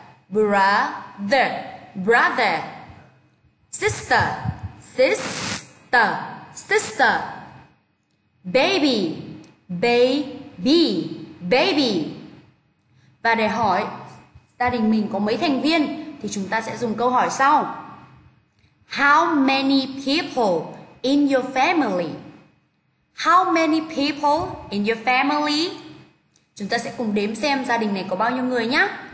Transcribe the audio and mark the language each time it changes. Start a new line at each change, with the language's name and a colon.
English: Brother. Brother. Sister. Sister. Sister. Baby. Baby. Baby.
Vietnamese: Và để hỏi gia đình mình có mấy thành viên thì chúng ta sẽ dùng câu hỏi sau.
English: How many people in your family? How many people in your family?
Vietnamese: Chúng ta sẽ cùng đếm xem gia đình này có bao nhiêu người nhé.